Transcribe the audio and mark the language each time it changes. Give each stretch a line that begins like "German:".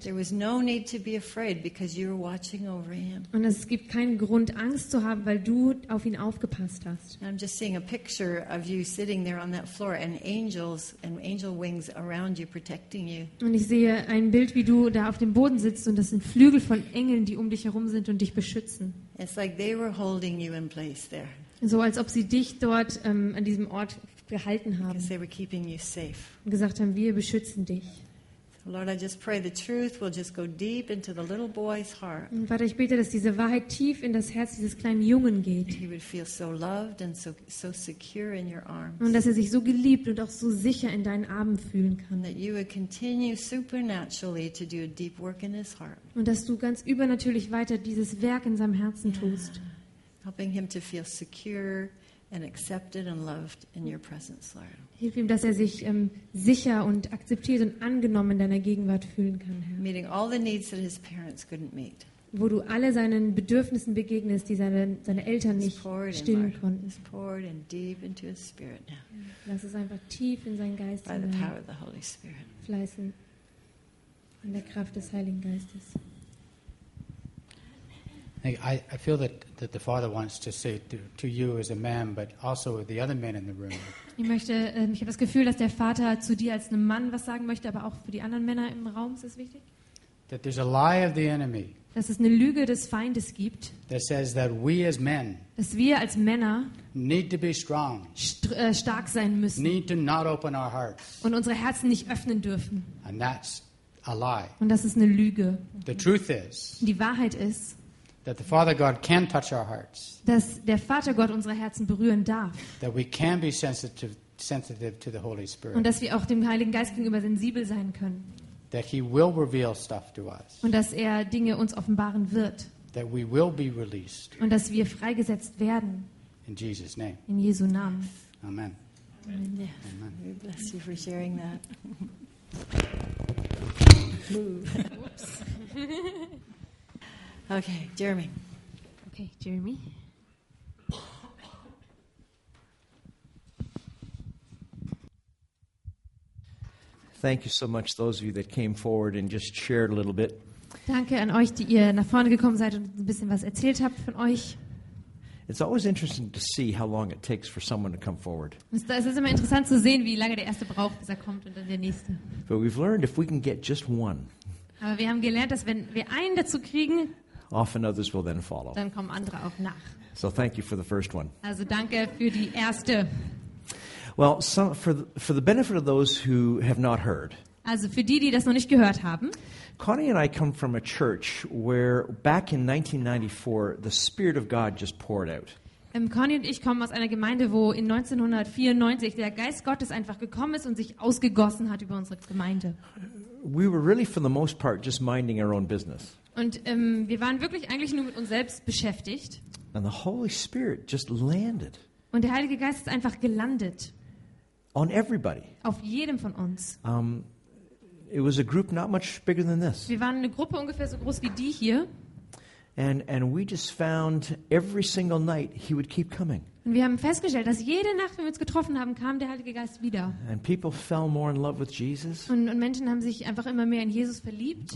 English: There was no need to be afraid because you were watching over him.
German: Und es gibt keinen Grund, Angst zu haben, weil du auf ihn aufgepasst hast.
English: I'm just seeing a picture of you sitting there on that floor and angels and angel wings around you protecting you.
German: Und ich sehe ein Bild, wie du da auf dem Boden sitzt und das sind Flügel von Engeln, die um dich herum sind und dich schützen.
English: It's like they were holding you in place there.
German: So als ob sie dich dort an diesem Ort gehalten haben.
English: Because they were keeping you safe.
German: Und gesagt haben, wir beschützen dich.
English: Lord, I just pray the truth will just go deep into the little boy's heart.
German: Und Vater, ich bete, dass diese Wahrheit tief in das Herz dieses kleinen Jungen geht.
English: He would feel so loved and so secure in your arms.
German: Und dass er sich so geliebt und auch so sicher in deinen Armen fühlen kann.
English: And that you would continue supernaturally to do a deep work in his heart.
German: Und dass du ganz übernatürlich weiter dieses Werk in seinem Herzen tust.
English: Helping him to feel secure and accepted and loved in your presence, Lord.
German: Hilf ihm, dass er sich sicher und akzeptiert und angenommen in deiner Gegenwart fühlen kann, Herr.
English: Meeting all the needs that his parents couldn't meet.
German: Wo du alle seinen Bedürfnissen begegnest, die seine Eltern nicht stillen konnten.
English: It's poured in deep into his spirit now.
German: Lass es einfach tief in seinen Geist hinein.
English: By the power of the Holy Spirit.
German: Fließen in der Kraft des Heiligen Geistes.
English: I feel that the Father wants to say to you as a man, but also the other men in the room.
German: Ich möchte, ich habe das Gefühl, dass der Vater zu dir als einem Mann was sagen möchte, aber auch für die anderen Männer im Raum ist es wichtig.
English: That there's a lie of the enemy.
German: Dass es eine Lüge des Feindes gibt.
English: That says that we as men.
German: Dass wir als Männer.
English: Need to be strong.
German: Stark sein müssen.
English: Need to not open our hearts.
German: Und unsere Herzen nicht öffnen dürfen.
English: And that's a lie.
German: Und das ist eine Lüge.
English: The truth is.
German: Die Wahrheit ist.
English: That the Father God can touch our hearts.
German: Dass der Vater Gott unsere Herzen berühren darf.
English: That we can be sensitive to the Holy Spirit.
German: Und dass wir auch dem Heiligen Geist gegenüber sensibel sein können.
English: That he will reveal stuff to us.
German: Und dass er Dinge uns offenbaren wird.
English: That we will be released.
German: Und dass wir freigesetzt werden.
English: In Jesus' name.
German: In Jesu Namen. Amen.
English: Amen. We bless you for sharing that. Okay, Jeremy. Okay, Jeremy. Thank you so much, those of you that came forward and just shared a little bit.
German: Danke an euch, die ihr nach vorne gekommen seid und ein bisschen was erzählt habt von euch.
English: It's always interesting to see how long it takes for someone to come forward.
German: Es ist immer interessant zu sehen, wie lange der erste braucht, bis er kommt und dann der nächste.
English: But we've learned if we can get just one.
German: Aber wir haben gelernt, dass wenn wir einen dazu kriegen,
English: often others will then follow.
German: Dann kommen andere auch nach.
English: So thank you for the first one.
German: Also danke für die erste.
English: Well, for the benefit of those who have not heard.
German: Also für die, die das noch nicht gehört haben.
English: Connie and I come from a church where back in 1994 the Spirit of God just poured out.
German: Connie und ich kommen aus einer Gemeinde, wo in 1994 der Geist Gottes einfach gekommen ist und sich ausgegossen hat über unsere Gemeinde.
English: We were really for the most part just minding our own business.
German: Und wir waren wirklich eigentlich nur mit uns selbst beschäftigt.
English: And the Holy Spirit just landed.
German: Und der Heilige Geist ist einfach gelandet.
English: On everybody.
German: Auf jedem von uns.
English: It was a group not much bigger than this.
German: Wir waren eine Gruppe ungefähr so groß wie die hier.
English: And we just found every single night he would keep coming.
German: Und wir haben festgestellt, dass jede Nacht, wenn wir uns getroffen haben, kam der Heilige Geist wieder.
English: And people fell more in love with Jesus.
German: Und Menschen haben sich einfach immer mehr in Jesus verliebt.